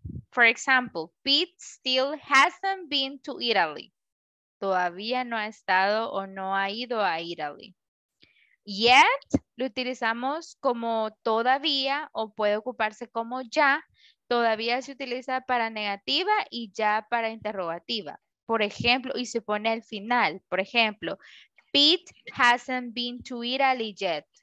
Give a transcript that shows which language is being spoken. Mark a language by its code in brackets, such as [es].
[en] For example, Pete still hasn't been to Italy. [es] Todavía no ha estado o no ha ido a Italy. Yet, lo utilizamos como todavía o puede ocuparse como ya. Todavía se utiliza para negativa y ya para interrogativa. Por ejemplo, y se pone al final. Por ejemplo, [en] Pete hasn't been to Italy yet.